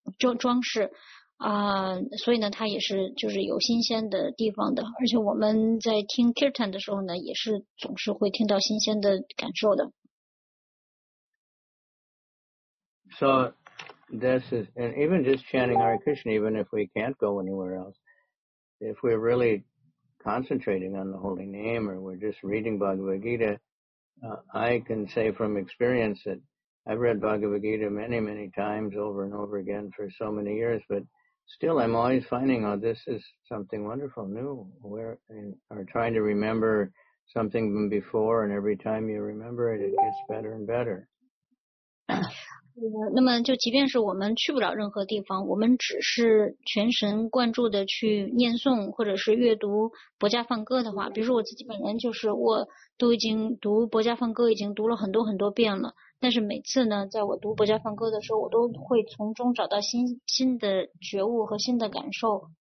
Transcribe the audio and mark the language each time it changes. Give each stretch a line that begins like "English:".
Chinese: 装饰所以呢它也是就是有新鲜的地方的而且我们在听 Kirtan 的时候呢也是总是会听到新鲜的感受的
English: So this is and even just chanting Hare Krishna even if we can't go anywhere else if we're really concentrating on the holy name or we're just reading Bhagavad Gita I can say from experience thatI've read Bhagavad Gita many, many times over and over again for so many years, but still I'm always finding, oh, this is something wonderful, new. We're trying to remember something from before, and every time you remember it, it gets better and better.
Chinese: 那么就即便是我们去不了任何地方，我们只是全神贯注的去念诵或者是阅读薄伽梵歌的话，比如说我自己本人就是我都已经读薄伽梵歌已经读了很多很多遍了。但是每次呢，在我读薄伽梵歌的时候，我都会从中找到新的觉悟和新的感受。